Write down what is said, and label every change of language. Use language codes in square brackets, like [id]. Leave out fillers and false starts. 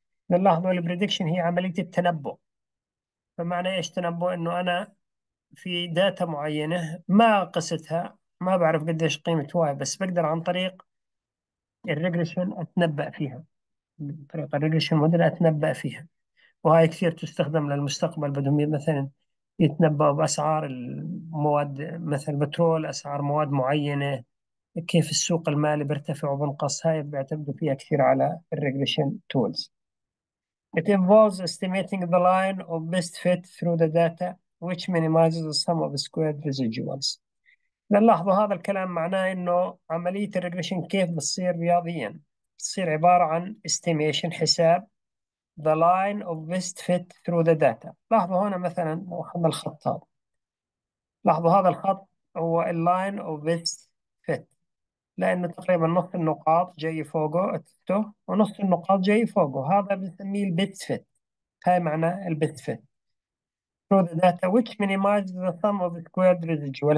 [ar] نلاحظ ان البريدكشن هي عملية التنبؤ. فمعنى ايش تنبؤ؟ انه انا في داتا معينة ما قستها، ما بعرف قديش قيمة واي، بس بقدر عن طريق الريجريشن اتنبأ فيها، عن طريق الريجريشن موديل اتنبأ فيها. وهي كثير تستخدم للمستقبل، بدهم مثلا يتنبأ بأسعار المواد مثل البترول، أسعار مواد معينة، كيف السوق المالي بيرتفع وبنقص، هاي بيعتمدوا فيها كثير على الريجريشن تولز. [en] It involves estimating the line of best fit through the data which minimizes the sum of squared residuals. [ar] نلاحظوا هذا الكلام معناه إنه عملية الريجريشن كيف بتصير رياضيا؟ بتصير عبارة عن estimation، حساب [en] the line of best fit through the data. [ar] لاحظوا هنا مثلا لو اخذنا الخط هذا، لاحظوا هذا الخط هو ال line of best fit، لانه تقريبا نص النقاط جاي فوقه تحته ونص النقاط جاي فوقه، هذا بنسميه ال best fit، هاي معنى ال best fit through the data [en] which minimizes the sum of squared residual.